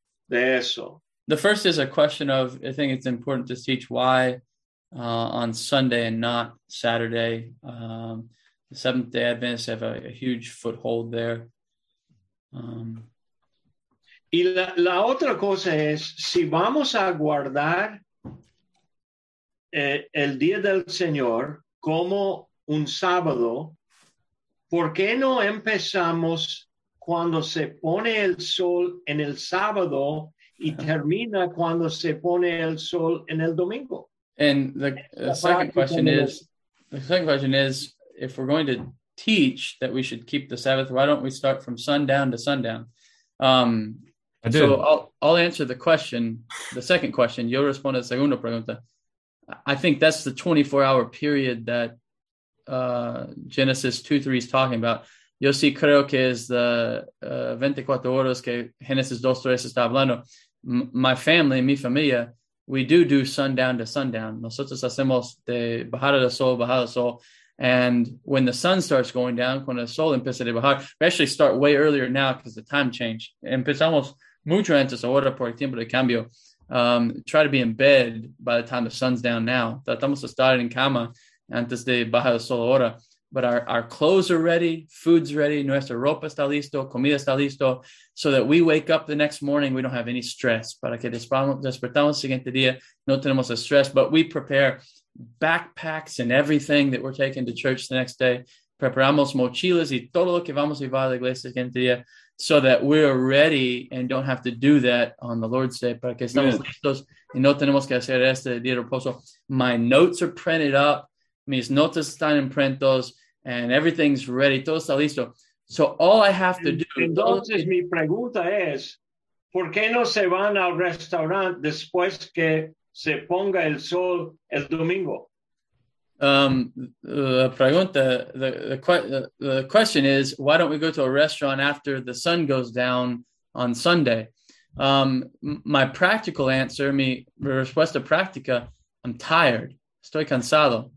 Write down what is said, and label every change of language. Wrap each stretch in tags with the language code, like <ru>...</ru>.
<en>The first is a question of, I think it's important to teach why on Sunday and not Saturday. The Seventh-day Adventists have a huge foothold there.</en> <es>Y la otra cosa es, si vamos a guardar el Día del Señor como un sábado, ¿por qué no empezamos cuando se pone el sol en el sábado y termina cuando se pone el sol en el domingo?</es> <en>And the second question is, if we're going to teach that we should keep the Sabbath, why don't we start from sundown to sundown? So I'll answer the second question.</en> <es>Yo respondo a la segunda pregunta.</es> <en>I think that's the 24-hour period that Genesis 2:3 is talking about.</en> <es>Yo sí creo que es the 24 horas que Genesis 2:3 está hablando.</es> <en>My family,</en> <es>mi familia,</es> <en>we do sundown to sundown.</en> <es>Nosotros hacemos de bajada de sol, bajada de sol.</es> <en>And when the sun starts going down,</en> <es>cuando el sol empieza de bajar,</es> <en>we actually start way earlier now because the time change.</en> <es>Empezamos mucho antes ahora por el tiempo de cambio.</es> <en>Try to be in bed by the time the sun's down now.</en> <es>Tratamos de estar en cama antes de bajar el sol ahora.</es> <en>But our clothes are ready, food's ready,</en> <es>nuestra ropa está listo,</es> <en>comida está listo, so that we wake up the next morning, we don't have any stress.</en> <es>Para que despertamos el siguiente día, no tenemos el stress,</es> <en>but we prepare backpacks and everything that we're taking to church the next day.</en> <es>Preparamos mochilas y todo lo que vamos a llevar a la iglesia el siguiente día,</es> <en>so that we're ready and don't have to do that on the Lord's Day.</en> <es>Para que estamos listos y no tenemos que hacer este día de reposo.</es> <en>My notes are printed up.</en> <es>Mis notas están imprentos.</es> <en>and everything's ready,</en> <es>todo está listo.</es> <en>So all I have to do.</en> <es>Entonces, mi pregunta es, ¿por qué no se van al restaurante después que se ponga el sol el domingo?</es> <en>The question is, why don't we go to a restaurant after the sun goes down on Sunday? My practical answer,</en> <es>mi respuesta práctica,</es> <en>I'm tired.</en> <es>Estoy cansado.</es>